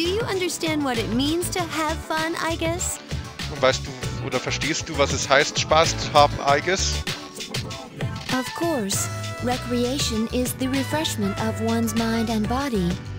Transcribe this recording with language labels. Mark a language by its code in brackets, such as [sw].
[en] Understand what it means to have fun, I guess. [de] Und weißt du oder verstehst du, was es heißt, Spaß zu haben, [en] I guess? Of course, recreation is the refreshment of one's mind and body.